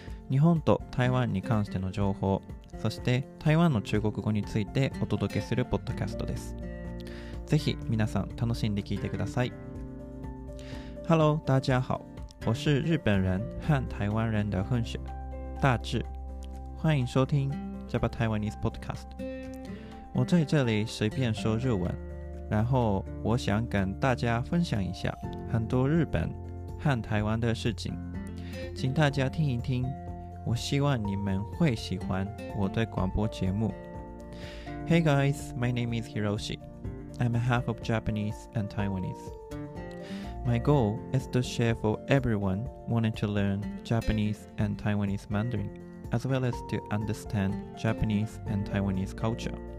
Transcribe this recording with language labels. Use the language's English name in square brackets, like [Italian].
[Japanese] 日本と台湾に関しての情報、そして台湾の中国語についてお届けするポッドキャストです。ぜひ皆さん楽しんで聞いてください。 [Chinese] Hello 大家好，我是日本人和台湾人的混血大智，欢迎收听Japa Taiwanese Podcast。我在这里随便说日文，然后我想跟大家分享一下很多日本和台湾的事情，请大家听一听，我希望你们会喜欢我的广播节目。 [English] Hey guys, my name is Hiroshi. I'm half of Japanese and Taiwanese. My goal is to share for everyone wanting to learn Japanese and Taiwanese Mandarin. As well as to understand Japanese and Taiwanese culture.